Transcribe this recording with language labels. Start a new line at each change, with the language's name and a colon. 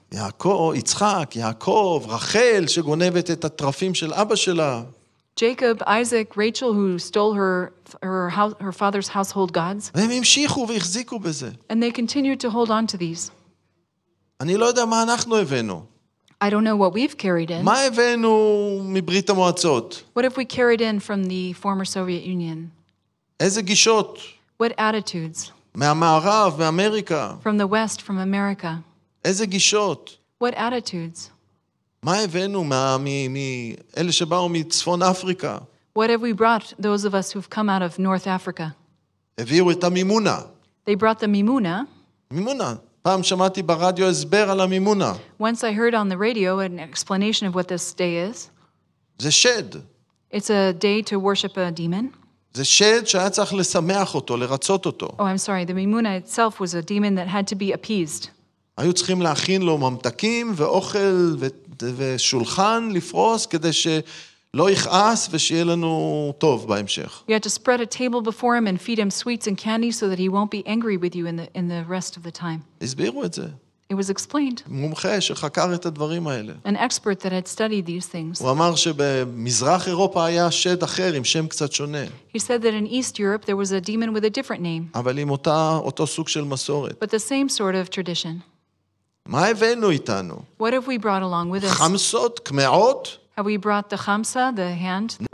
Hebrew: יעקב, יצחק, יעקב, רחל, שגונבת את התרפים של אבא שלה.
English: Jacob, Isaac, Rachel, who stole her father's household gods.
Hebrew: והם המשיכו והחזיקו בזה.
English: And they continued to hold on to these.
Hebrew: אני לא יודע מה אנחנו הבאנו.
English: I don't know what we've carried in.
Hebrew: מה הבאנו מברית המועצות?
English: What have we carried in from the former Soviet Union?
Hebrew: איזה גישות?
English: What attitudes?
Hebrew: מהמערב, מאמריקה.
English: From the West, from America.
Hebrew: איזה גישות?
English: What attitudes?
Hebrew: מה הבאנו מאלה שבאו מצפון אפריקה?
English: What have we brought, those of us who've come out of North Africa?
Hebrew: הביאו את המימונה.
English: They brought the מימונה.
Hebrew: מימונה. פעם שמעתי ברדיו הסבר על המימונה.
English: Once I heard on the radio an explanation of what this day is.
Hebrew: זה שד.
English: It's a day to worship a demon.
Hebrew: זה שד שהיה צריך לשמח אותו, לרצות אותו.
English: Oh, I'm sorry. The Mimuna itself was a demon that had to be appeased.
Hebrew: היו צריכים להכין לו ממתקים ואוכל ושולחן לפרוס כדי שלא יכעס ושיהיה לנו טוב בהמשך.
English: You had to spread a table before him and feed him sweets and candy so that he won't be angry with you in the rest of the time.
Hebrew: הסבירו את זה.
English: It was explained.
Hebrew: מומחה שחקר את הדברים האלה.
English: An expert that had studied these things.
Hebrew: הוא אמר שבמזרח אירופה היה שד אחר עם שם קצת שונה.
English: He said that in East Europe there was a demon with a different name.
Hebrew: אבל עם אותו סוג של מסורת.
English: But the same sort of tradition.
Hebrew: מה הבאנו איתנו?
English: What have we brought along with us?
Hebrew: חמסות, קמעות?
English: Have we brought the חמסה, the hand?